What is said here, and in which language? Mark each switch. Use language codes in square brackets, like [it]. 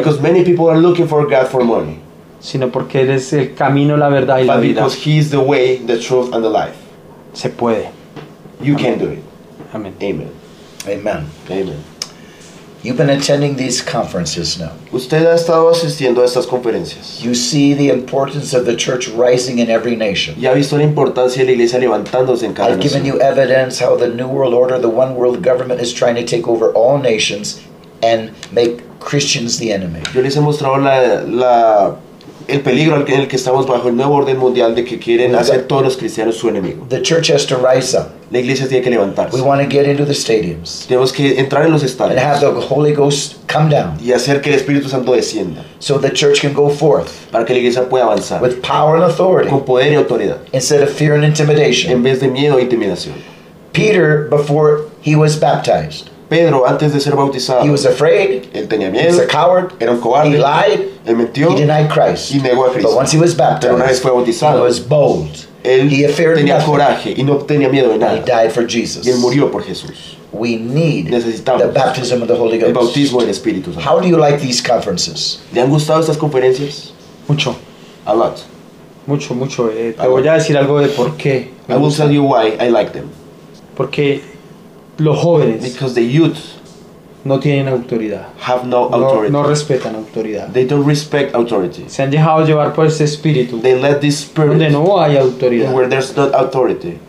[en] Because many people are looking for God for money. [es] Sino porque él es el camino, la verdad y [en] but [es] la vida. [en] But because he is the way, the truth and the life. [es] Se puede. [en] You Amen. Can do it. Amen. Amen. Amen. Amen. You've been attending these conferences now. [es] Usted ha estado asistiendo a estas conferencias. [en] You see the importance of the church rising in every nation. [es] Ya ha visto la importancia de la iglesia levantándose en cada nación. [en] I've given you evidence how the New World Order, the One World Government, is trying to take over all nations and make Christians the enemy. [es] Yo les he mostrado el peligro en el que estamos bajo el nuevo orden mundial de que quieren hacer todos los cristianos su enemigo. [en] The church has to rise up. [es] La iglesia tiene que levantarse. [en] We want to get into the stadiums. [es] Tenemos que entrar en los estadios. [en] And have the Holy Ghost come down. [es] Y hacer que el Espíritu Santo descienda. [en] So the church can go forth. [es] Para que la iglesia pueda avanzar. [en] With power and authority. [es] Con poder y autoridad. [en] Instead of fear and intimidation. [es] En vez de miedo e intimidación. [en] Peter, before he was baptized. [es] Pedro, antes de ser bautizado, [en] he was afraid. [es] Él tenía miedo. [en] He was a coward. [es] Era un cobarde. [en] He lied. [es] Él mintió. [en] He denied Christ. [es] Y negó a Cristo. [en] But once he was baptized, [es] pero una vez fue bautizado, [en] he was bold. [es] Él [en] he feared [es] tenía [en] nothing. [es] Coraje y no tenía miedo de nada. [en] He died for Jesus. [es] Y él murió por Jesús. [en] We need [es] necesitamos [en] the baptism of the Holy Ghost. [es] El bautismo del Espíritu Santo. [en] How do you like these conferences? [es] ¿Le han gustado estas conferencias? Mucho. [en] A lot. [es] Mucho. Te voy a decir algo de por qué. [en] I will tell you why I like them. [es] Porque los jóvenes, [en] because the youth, [es] no tienen autoridad. [en] Have no authority. [es] No respetan autoridad. [en] They don't respect authority. [es] Se han dejado llevar por ese espíritu. [en] They let this spirit. [es] Donde no hay autoridad. [en] Where there's not authority.